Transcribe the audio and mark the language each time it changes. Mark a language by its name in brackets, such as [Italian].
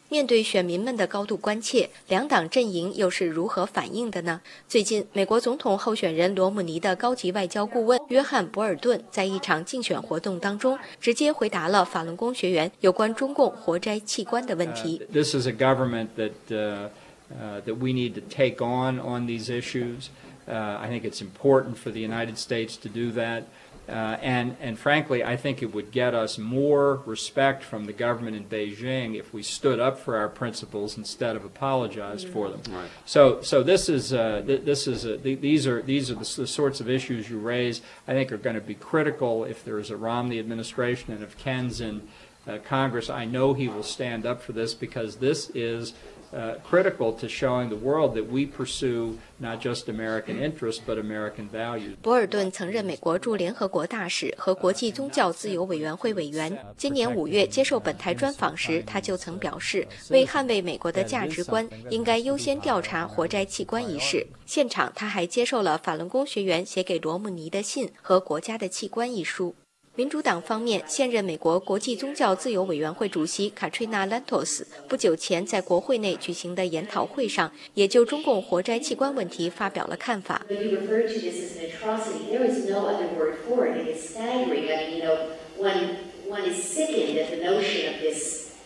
[Chinese] 面对选民们的高度关切，两党阵营又是如何反应的呢？最近，美国总统候选人罗姆尼的高级外交顾问约翰·博尔顿在一场竞选活动当中，直接回答了法轮功学员有关中共活摘器官的问题。 [English] This is a government that we need to take on these issues. I think it's important for the United States to do that. And frankly, I think it would get us more respect from the government in Beijing if we stood up for our principles instead of apologized for them. Right. So these are the sorts of issues you raise, I think, are going to be critical if there is a Romney administration and if Ken's in Congress. I know he will stand up for this because this is critical to showing the world that we pursue not just American interests but American values. [Chinese] 博尔顿曾任美国驻联合国大使和国际宗教自由委员会委员。今年五月接受本台专访时，他就曾表示，为捍卫美国的价值观，应该优先调查活摘器官一事。现场他还接受了法轮功学员写给罗姆尼的信和《国家的器官》一书。民主党方面，现任美国国际宗教自由委员会主席卡翠娜·兰托斯不久前在国会内举行的研讨会上，也就中共活摘器官问题发表了看法。 [English] When you refer to this as an atrocity, there is no other word for it. It is staggering. I mean, you know, one is sickened at the notion of this.